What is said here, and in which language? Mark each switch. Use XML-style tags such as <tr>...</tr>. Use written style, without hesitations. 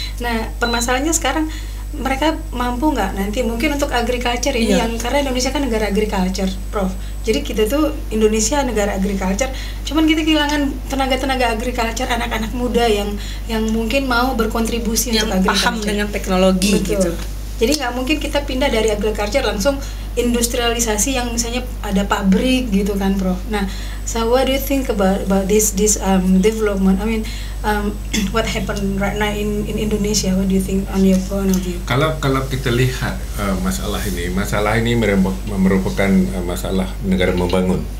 <id>Nah permasalahannya sekarang mereka mampu nggak nanti mungkin untuk agriculture ini, yang karena Indonesia kan negara agriculture Prof, jadi kita tuh Indonesia negara agriculture, cuman kita kehilangan tenaga-tenaga agriculture, anak-anak muda yang mungkin mau berkontribusi yang untuk agriculture, paham dengan teknologi. Betul. Gitu, jadi nggak mungkin kita pindah dari agriculture langsung industrialisasi yang misalnya ada pabrik gitu kan Prof.</id> <en>Nah so what do you think about this development, I mean what happened right now in Indonesia, what do you think on your point of view?</en> <id>Kalau kita lihat masalah ini merupakan masalah negara membangun.</id>